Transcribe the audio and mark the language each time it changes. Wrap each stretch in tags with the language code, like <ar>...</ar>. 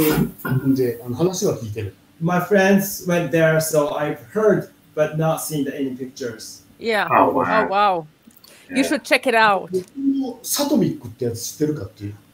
<ja>友人たちが何人か行ってるんで、話は聞いてる。My</ja> <en>friends went there, so I've heard, but not seen any pictures. Yeah. Oh, wow. Oh, wow. You should check it out.</en> <ja>サトミックってやつ知ってるかっていう?</ja>